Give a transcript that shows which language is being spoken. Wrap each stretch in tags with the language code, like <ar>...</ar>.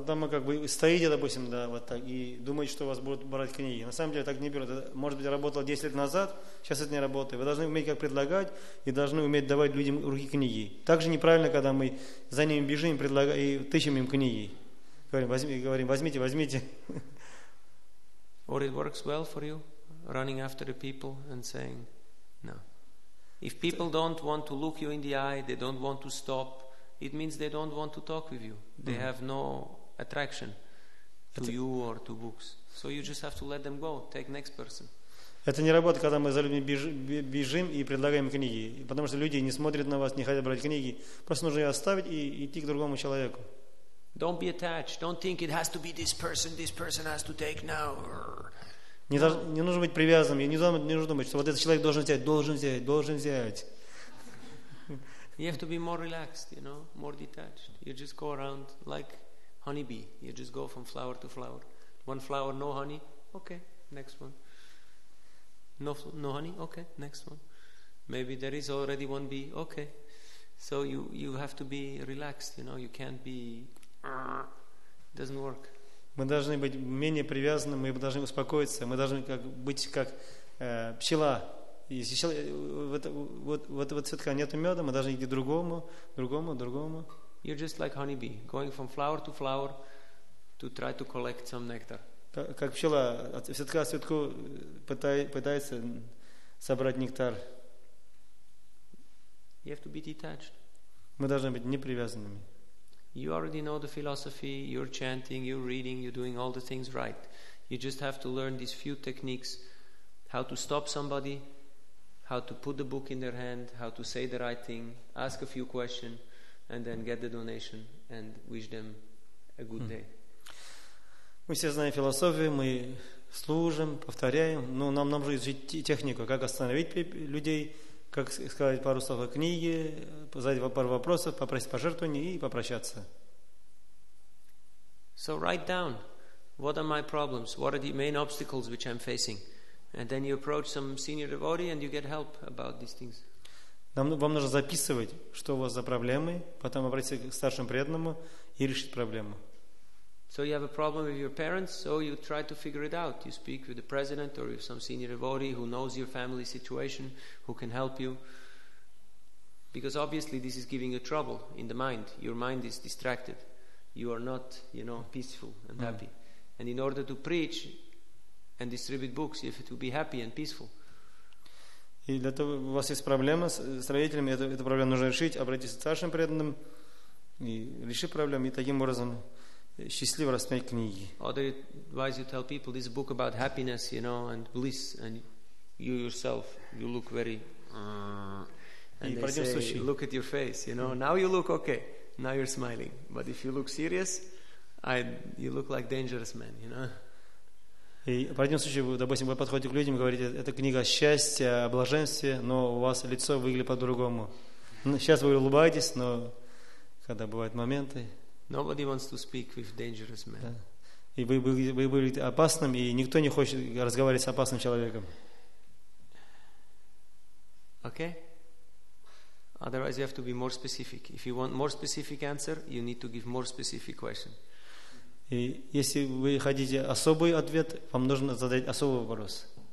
<ru>Потому как вы стоите, допустим, да, вот так, и думаете, что вас будут брать книги. На самом деле так не берут. Может быть, работало 10 лет назад, сейчас это не работает. Вы должны уметь как предлагать и должны уметь давать людям руки книги. Также неправильно, когда мы за ними бежим и тыщем им книги. Говорим, возьмите.</ru> <en>Or it works well for you, running after the people and saying, no. If people don't want to look you in the eye, they don't want to stop, it means they don't want to talk with you. They have no attraction to you or to books. So you just have to let them go. Take next person.</en> <ru>Это не работает, когда мы за людьми бежим и предлагаем книги, потому что люди не смотрят на вас, не хотят брать книги. Просто нужно ее оставить и идти к другому человеку.</ru> <en>Don't be attached. Don't think it has to be this person. This person has to take now.</en> <ru>Не нужно быть привязанным. Не нужно быть, что вот этот человек должен взять, должен взять, должен взять.</ru> <en>You have to be more relaxed, you know, more detached. You just go around like honeybee. You just go from flower to flower. One flower, no honey. Okay, next one. No honey. Okay, next one. Maybe there is already one bee. Okay. So you have to be relaxed, you know. You can't be. Doesn't work.</en> <ru>Мы должны быть менее привязаны. Мы должны успокоиться. Мы должны быть как пчела. Если вот цветка нет меда, мы должны идти другому.</ru> <en>You're just like honeybee, going from flower to flower to try to collect some nectar.</en> <ru>Как пчела, цветка цветку пытается собрать нектар.</ru> <en>You have to be detached.</en> <ru>Мы должны быть непривязанными.</ru> <en>You already know the philosophy. You're chanting, you're reading, you're doing all the things right. You just have to learn these few techniques: how to stop somebody, how to put the book in their hand, how to say the right thing, ask a few questions, and then get the donation and wish them a good day.</en> <ru>Мы все знаем философию, мы служим, повторяем, но нам нужно изучить технику, как остановить людей, как сказать пару слов о книге, задать пару вопросов, попросить пожертвования и попрощаться.</ru> <en>So write down what are my problems, what are the main obstacles which I'm facing. And then you approach some senior devotee and you get help about these things.</en> <ru>Вам нужно записывать, что у вас за проблемы, потом обратиться к старшему преданному и решить проблему.</ru> <en>So you have a problem with your parents, so you try to figure it out. You speak with the president or with some senior devotee who knows your family situation, who can help you. Because obviously this is giving you trouble in the mind. Your mind is distracted. You are not, you know, peaceful and happy. And in order to preach and distribute books, if it will be happy and peaceful.</en> <ru>И для того, у вас есть проблема с родителями, эту проблему нужно решить, обратиться к старшим преданным и решить проблему, и таким образом счастливо рассмотреть книги.</ru> <en>Otherwise you tell people this book about happiness, you know, and bliss, and you yourself, you look very and they say,</en> <ru>случай.</ru> <en>Look at your face, you know, now you look okay, now you're smiling, but if you look serious, you look like dangerous man, you know.</en> <ru>И в противном случае, допустим, вы подходите к людям и говорите, это книга о счастье, о блаженстве, но у вас лицо выглядит по-другому. Сейчас вы улыбаетесь, но когда бывают моменты...</ru> <en>Nobody wants to speak with dangerous men. Да.</en> <ru>И вы выглядите опасным, и никто не хочет разговаривать с опасным человеком.</ru> <en>Okay? Otherwise you have to be more specific. If you want more specific answer, you need to give more specific question.</en> <ru>И если вы хотите особый ответ, вам нужно задать особый вопрос.</ru>